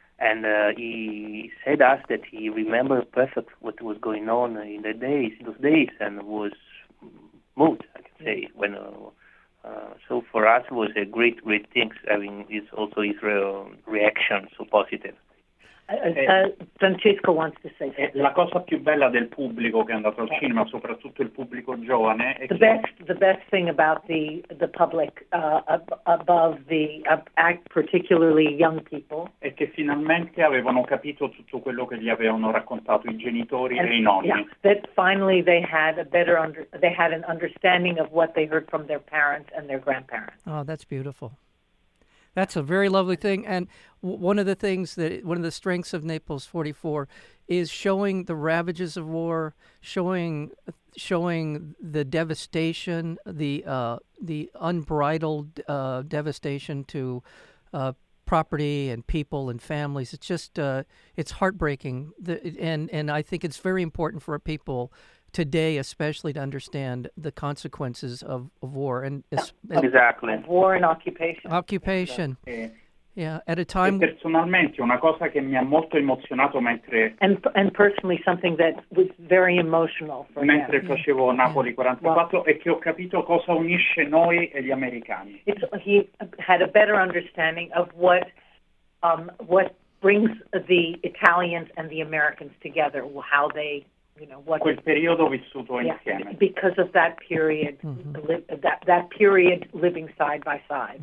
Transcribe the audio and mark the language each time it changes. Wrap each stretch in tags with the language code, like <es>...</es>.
<en>And he said us that he remembered perfect what was going on in the days, those days, and was moved, I can say. When so for us, it was a great, great thing. I mean, it's also his reaction, so positive. Francesco wants to say something.</en> <it>La cosa più bella del pubblico che è andato al cinema, soprattutto il pubblico giovane, è</it> <en>the best thing about the public above the act, particularly young people,</en> <it>è che finalmente avevano capito tutto quello che gli avevano raccontato i genitori e i nonni.</it> <en>Yeah, that finally they had an understanding of what they heard from their parents and their grandparents. Oh, that's beautiful. That's a very lovely thing, and one of the things that one of the strengths of Naples 44 is showing the ravages of war, showing the devastation, the unbridled devastation to property and people and families. It's just it's heartbreaking, and I think it's very important for people today, especially, to understand the consequences of war and exactly war and occupation. Exactly. Yeah, at a time.</en> <it>E personalmente, una cosa che mi ha molto emozionato mentre</it> <en>and personally something that was very emotional for me.</en> <it>Mentre</it> <en>him.</en> <it>Facevo Napoli 44, well, è che ho capito cosa unisce noi e gli americani.</it> <en>He had a better understanding of what brings the Italians and the Americans together. How they, you know, what</en> <it>quel periodo vissuto insieme.</it> <en>Because of that period, mm-hmm. that period living side by side.</en>